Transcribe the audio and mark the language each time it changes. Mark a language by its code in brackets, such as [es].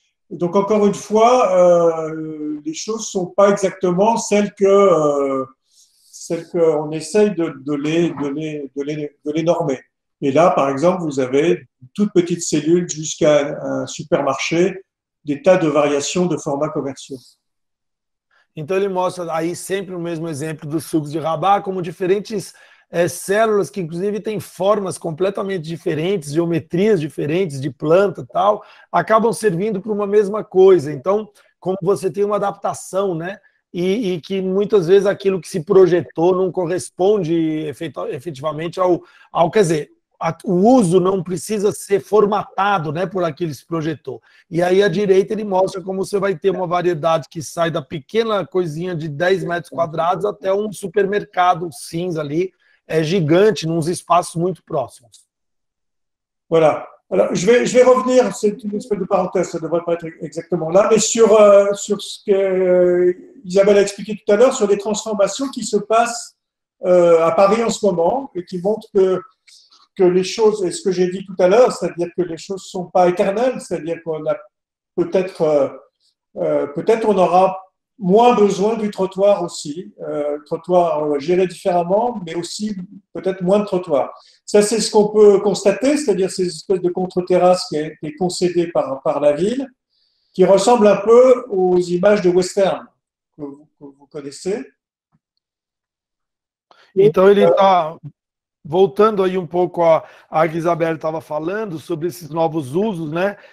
[fr] Donc encore une fois, les choses ne sont pas exactement celles qu'on essaye de les normer. Et là, par exemple, vous avez une toute petite cellule jusqu'à un supermarché, des tas de variations de formats commerciaux. [pt] Então ele mostra aí sempre o mesmo exemplo dos sucos de Rabat, como diferentes células que inclusive têm formas completamente diferentes, geometrias diferentes de planta e tal, acabam servindo para uma mesma coisa. Então, como você tem uma adaptação, né, e que muitas vezes aquilo que se projetou não corresponde efetivamente ao quer dizer, o uso não precisa ser formatado, né, por aquilo que se projetou. E aí a direita ele mostra como você vai ter uma variedade que sai da pequena coisinha de 10 metros quadrados até um supermercado cinza ali, é gigante, nos espaços muito próximos. [fr] Voilà. Alors, je vais revenir, c'est une espèce de parenthèse, ça ne devrait pas être exactement là, mais sur ce que Isabelle a expliqué tout à l'heure, sur les transformations qui se passent à Paris en ce moment, et qui montrent que les choses, et ce que j'ai dit tout à l'heure, c'est-à-dire que les choses ne sont pas éternelles, c'est-à-dire qu'on a peut-être on aura moins besoin du trottoir aussi, trottoir géré différemment, mais aussi peut-être moins de trottoir. Ça, c'est ce qu'on peut constater, c'est-à-dire ces espèces de contre-terrasses qui ont été concédées par la ville, qui ressemblent un peu aux images de Western que vous connaissez. [pt] Então, ele está voltando aí pouco à que Isabel estava falando sobre esses novos usos, né?